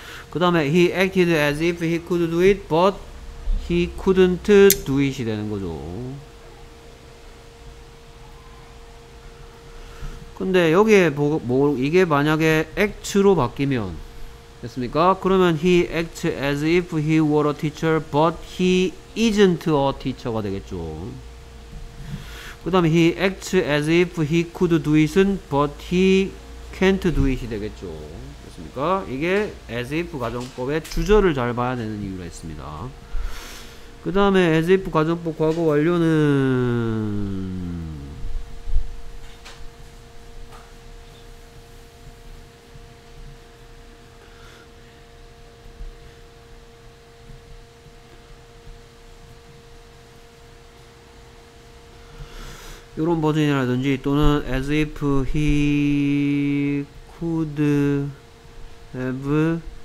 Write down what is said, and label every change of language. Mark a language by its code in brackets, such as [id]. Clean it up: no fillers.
[ko] 그 다음에 [en] he acted as if he could do it, but he couldn't do it이 [ko] 되는 거죠. 근데 여기에 이게 만약에 act로 바뀌면 됐습니까? 그러면 [en] he acts as if he were a teacher, but he isn't a teacher가 [ko] 되겠죠. 그 다음에 [en] he acts as if he could do it, but he can't do it이 [ko] 되겠죠. 됐습니까? 이게 as if 가정법의 주절을 잘 봐야 되는 이유가 있습니다. 그 다음에 as if 가정법 과거 완료는 이런 버전이라든지 또는 as if he could have he